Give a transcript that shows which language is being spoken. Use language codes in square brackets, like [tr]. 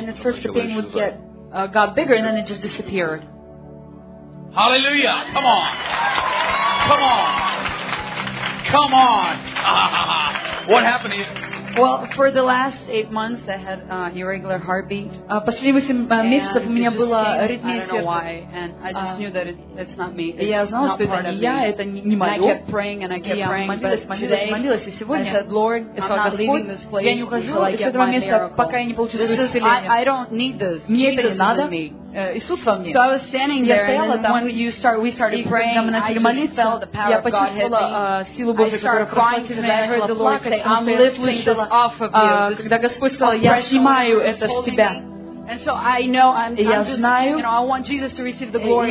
[en] And at first the pain would get got bigger and then it just disappeared. Hallelujah! Come on! Come on! Come on! What happened to you? Well, for the last 8 months I had irregular heartbeat. [ru] Последние 8 месяцев у меня была аритмия сердца. [en] I don't know why, and I just knew that it's not me. [ru] Я знала, что это не я, это не мое. [en] And I kept praying, and I kept praying, [ru] молилась, [en] but today I said, Lord, I'm not leaving this place. [ru] Я не ухожу из этого места, пока я не получу исцеление. [en] I don't need this. [ru] Мне это не надо. Иисус во мне. [en] So I was standing there, and then when we started praying, I just felt the power of God hit me. I started crying to Him, and I heard the Lord say, I'm lifting this off of you. [ru] Когда Господь сказал, я снимаю это с тебя. [en] And so I know I'm just, you know, I want Jesus to receive the glory.